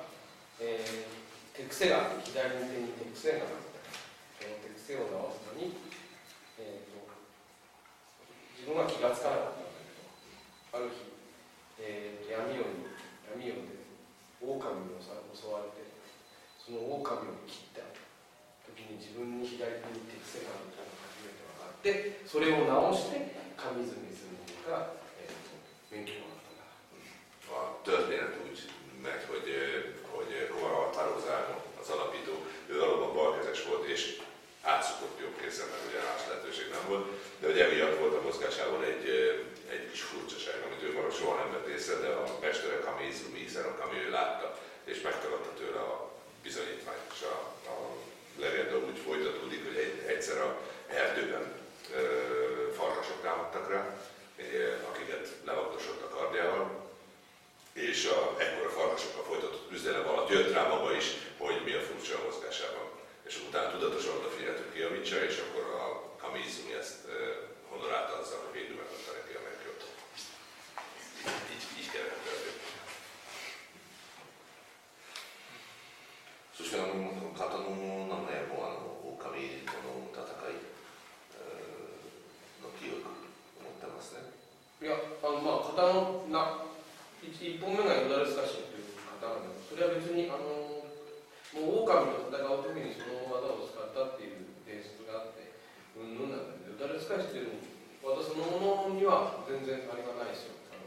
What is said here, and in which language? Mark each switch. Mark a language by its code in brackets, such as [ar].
[ja] 癖があって、左に手に手に癖があって、この手癖を直すのに、自分は気がつかなかったんだけど、ある日、闇夜で、狼に襲われて、その狼を切った時に自分に左手に手癖があるというのが初めて分かって、それを直して、神爪するのが、勉強になったんだ。 [hu] あ、történet úgy megy, hogy, hogy Rohan Határozárnak az alapító, ő valóban balkezes volt, és átszukott jobb kézzel, mert ugye más lehetőség nem volt, de ugye emiatt volt a mozgásában egy kis furcsaság, amit ő maga soha nem vett észre, de a mestere Kamizumi Izanok, ami ő látta, és megtaladta tőle a bizonyítványt, és a legenda úgy folytatódik, hogy egyszer a erdőben farkasok támadtak rá, akiket levaktosott a kardjával, és ekkor a farkasokkal folytatott üzenem alatt jött rá maga is, hogy mi a furcsa a mozgásában. És utána tudatosan odafigyelt, hogy kijavítsa, és akkor a Kamizumi ezt honorálta azzal, hogy végül megadta neki a megjött. Így kellett történni. Szóval mondtam, katonó, nem lehet volna a Kamizumi, mondom, tatakai. Na, ki ők? Mondtam azt, nem? Ja, a katonó, na, [ja] 1本目がヨダルスカシンという方なんです。それは別にもう狼と戦うときにその技を使ったっていう伝説があって云々なんだけど、ヨダルスカシンっていうのは私のものには全然ありがないですよ。